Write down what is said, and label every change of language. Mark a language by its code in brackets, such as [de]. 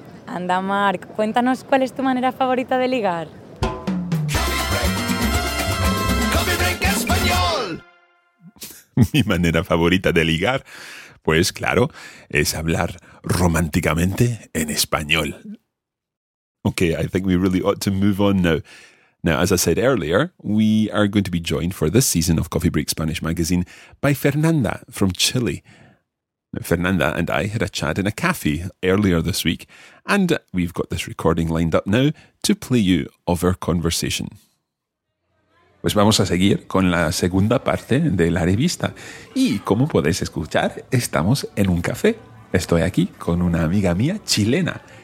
[es] Anda, Marc, cuéntanos cuál es tu manera favorita de ligar. [en] Coffee break. Coffee break español. [es] Mi manera favorita de ligar, pues claro, es hablar románticamente en español. [en] Okay, I think we really ought to move on now. Now, as I said earlier, we are going to be joined for this season of Coffee Break Spanish magazine by Fernanda from Chile. Now, Fernanda and I had a chat in a cafe earlier this week, and we've got this recording lined up now to play you of our conversation. [es] Pues vamos a seguir con la segunda parte de la revista. Y como podéis escuchar, estamos en un café. Estoy aquí con una amiga mía chilena.